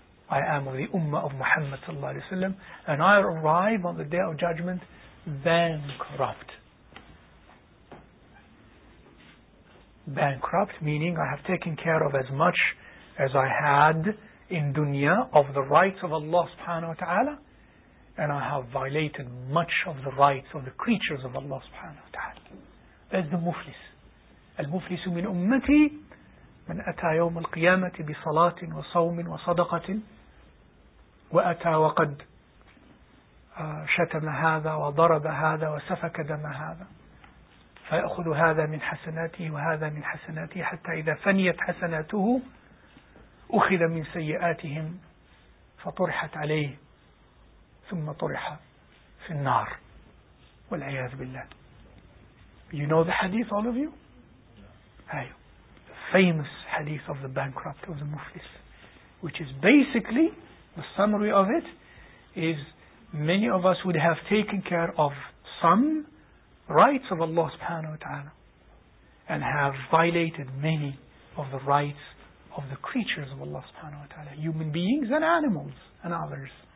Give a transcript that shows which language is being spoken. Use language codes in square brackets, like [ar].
[en] I am of the ummah of Muhammad sallallahu alayhi wa sallam, and I arrive on the day of judgment bankrupt, meaning I have taken care of as much as I had in dunya of the rights of Allah subhanahu wa ta'ala, and I have violated much of the rights of the creatures of Allah subhanahu wa ta'ala. That's the muflis. [ar] Al-muflis min ummati man ata yawm al-qiyamati bi salatin wa sawmin wa sadaqatin wa ata wa qad شتم هذا وضرب هذا وسفك دم هذا فيأخذ هذا من حسناته وهذا من حسناته حتى إذا فنيت حسناته أخذ من سيئاتهم فطرحت عليه ثم طرح في النار والعياذ بالله. [en] You know the hadith, all of you? Ayo. The famous hadith of the bankrupt, of the muflis, which is basically the summary of it is many of us would have taken care of some rights of Allah subhanahu wa ta'ala and have violated many of the rights of the creatures of Allah subhanahu wa ta'ala, human beings and animals and others,